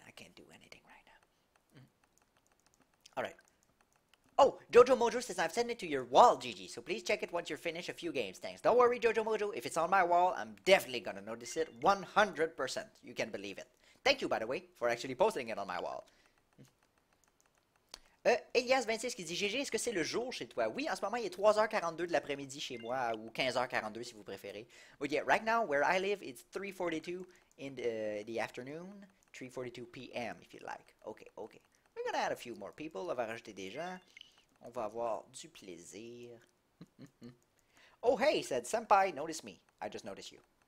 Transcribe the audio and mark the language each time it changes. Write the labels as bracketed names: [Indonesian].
[English] I can't do anything right now. Alright. Oh, Jojo Mojo says, I've sent it to your wall, Gigi, so please check it once you're finished a few games. Thanks. Don't worry, Jojo Mojo. If it's on my wall, I'm definitely gonna notice it 100%. You can believe it. Thank you, by the way, for actually posting it on my wall. [French] Elias 26 qui dit, GG, est-ce que c'est le jour chez toi? Oui, en ce moment, il est 3h42 de l'après-midi chez moi, ou 15h42 si vous préférez. [English] But yeah, right now, where I live, it's 3:42 in the afternoon. 3:42 p.m. if you like. Okay, okay. We're gonna add a few more people. [French] On va rajouter des gens. On va avoir du plaisir. [English] Oh, hey, said Senpai, notice me. I just noticed you.